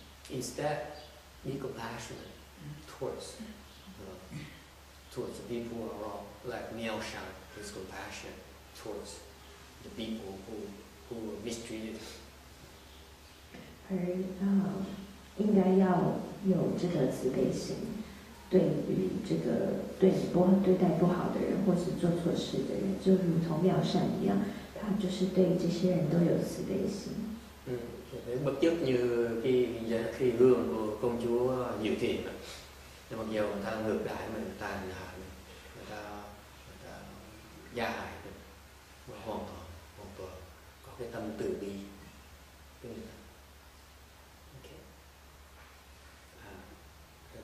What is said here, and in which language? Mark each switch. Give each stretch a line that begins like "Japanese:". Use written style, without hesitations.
English: Instead, be compassionate towards the people who are wrong. Like Miao Shan, his compassion towards the people who were mistreated.
Chinese: 而应该要有这个慈悲心，对于这个对你不对待不好的人，或是做错事的人，就如同妙善一样，他就是对这些人都有慈悲心。嗯。
Vietnamese: Bất chấp như khi gương của công chúa nhiều tiền, mặc dù người ta ngược đãi mình, người ta tàn hại mình, người ta gia hại mình, mà hoàn toàn có cái tâm từ bi. Okay.